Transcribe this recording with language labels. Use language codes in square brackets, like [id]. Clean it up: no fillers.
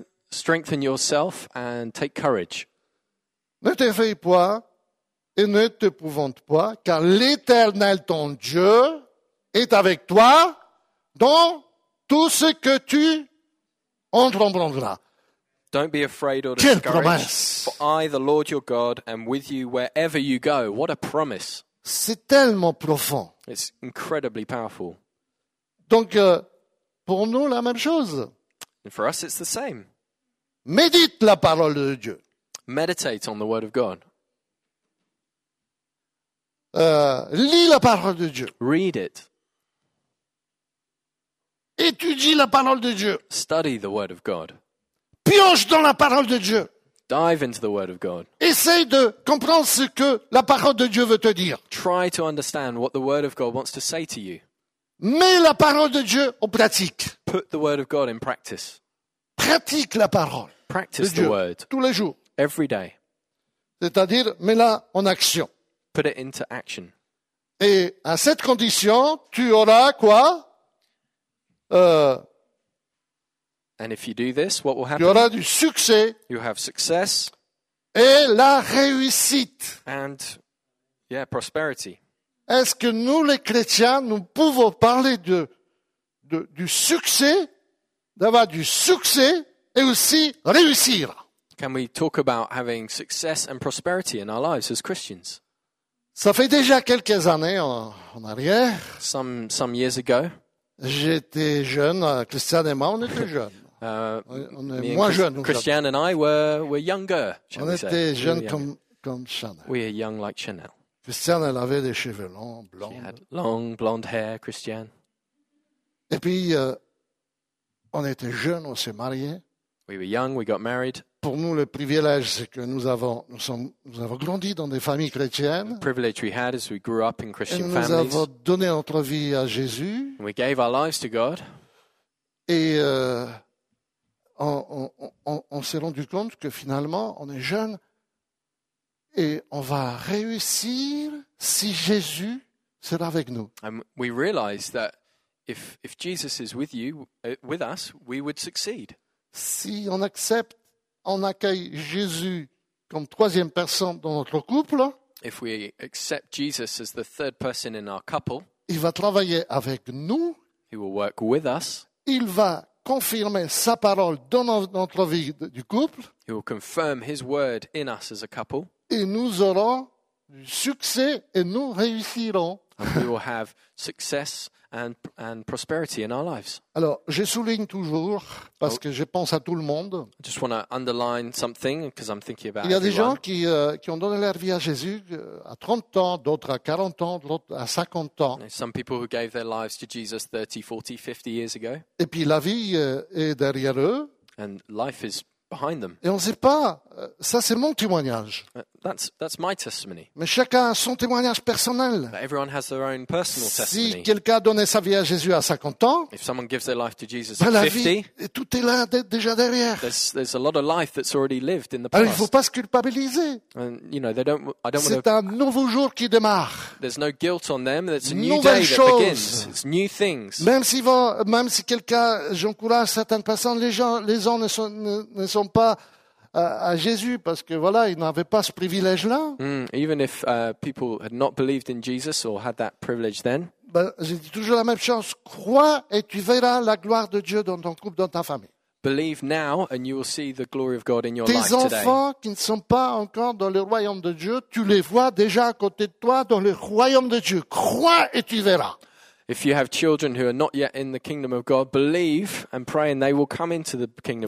[en] Strengthen yourself and take courage. [fr] Ne t'effraie pas et ne t'épouvante pas, car l'Éternel ton Dieu est avec toi dans tout ce que tu entreprendras. [en] Don't be afraid or discouraged, for I, the Lord your God, am with you wherever you go. What a promise. [fr] C'est tellement profond. [en] It's incredibly powerful. [fr] Donc, pour nous, la même chose. [en] And for us, it's the same. [fr] Médite la parole de Dieu. [en] Meditate on the word of God. [fr] Lis la parole de Dieu. [en] Read it. [fr] Étudie la parole de Dieu. [en] Study the word of God. [fr] Pioche dans la parole de Dieu. [en] Dive into the Word of God. [fr] Essaye de comprendre ce que la parole de Dieu veut te dire. [en] Try to understand what the Word of God wants to say to you. [fr] Mets la parole de Dieu en pratique. [en] Put the Word of God in practice. [fr] Pratique la parole. [en] Practice the Word. [fr] Tous les jours. [en] Every day. [fr] C'est-à-dire, mets-la en action. [en] Put it into action. [fr] Et à cette condition, tu auras quoi? [en] And if you do this, what will happen? [fr] Tu auras du succès. [en] You have success. [fr] Et la réussite. [en] And, yeah, prosperity. [fr] Est-ce que nous, les chrétiens, nous pouvons parler du succès, d'avoir du succès et aussi réussir? [en] Can we talk about having success and prosperity in our lives as Christians? [fr] Ça fait déjà quelques années en arrière. [en] Some years ago. [fr] J'étais jeune, Christian et moi, on était jeunes. On est moins jeunes. [en] Christian and I were younger. [fr] On était jeunes comme Chanel. [en] We are young like Chanel. [fr] Christian, elle avait des cheveux longs, blonds. [en] She had long blonde hair, Christian. [fr] Et puis, on était jeunes, on s'est mariés. [en] We were young, we got married. [fr] Pour nous, le privilège, c'est que nous avons grandi dans des familles chrétiennes. [en] The privilege we had is we grew up in Christian families. [fr] Et nous [en] families. [fr] Avons donné notre vie à Jésus. [en] And we gave our lives to God. [fr] Et on s'est rendu compte que finalement, on est jeunes et on va réussir si Jésus sera avec nous. [en] And we realized that if Jesus is with you, with us, we would succeed. [fr] Si on accepte on accueille Jésus comme troisième personne dans notre couple. [en] If we accept Jesus as the third person in our couple, [fr] il va travailler avec nous. [en] He will work with us. [fr] Il va confirmer sa parole dans notre vie du couple. [en] He will confirm his word in us as a couple. [fr] Et nous aurons du succès et nous réussirons. [en] And we will have success and prosperity in our lives. [fr] Alors, je souligne toujours parce que je pense à tout le monde. [en] I just want to underline something because I'm thinking about [fr] Il y a [en] everyone. [fr] Des gens qui ont donné leur vie à Jésus à 30 ans, d'autres à 40 ans, d'autres à 50 ans. [en] There's some people who gave their lives to Jesus 30, 40, 50 years ago. [fr] Et puis la vie est derrière eux. [en] And life is behind them. [fr] Et on ne sait pas, ça c'est mon témoignage. [en] That's my testimony. [fr] Mais chacun a son témoignage personnel. [en] But everyone has their own personal testimony. [fr] Si quelqu'un a donné sa vie à Jésus à 50 ans, [en] if someone gives their life to Jesus ben at 50, [fr] la vie, tout est là déjà derrière. [en] There's a lot of life that's already lived in the past. [fr] Alors il ne faut pas se culpabiliser. [en] And, you know, I don't [fr] c'est un nouveau jour qui démarre. [en] There's no guilt on them. It's a new day that begins. It's new things. [fr] Même si quelqu'un, j'encourage certaines personnes, les gens ne sont pas à Jésus parce que voilà, ils n'avaient pas ce privilège-là. [en] Even if people had not believed in Jesus or had that privilege then. [fr] Ben, j'ai dit toujours la même chose. Crois et tu verras la gloire de Dieu dans ton couple, dans ta famille. [en] Believe now and you will see the glory of God in your [fr] Tes [en] life today. [fr] Tes enfants qui ne sont pas encore dans le royaume de Dieu, tu les vois déjà à côté de toi dans le royaume de Dieu. Crois et tu verras. [en] If you have children who are not yet in the kingdom of God, believe and pray and they will come into the kingdom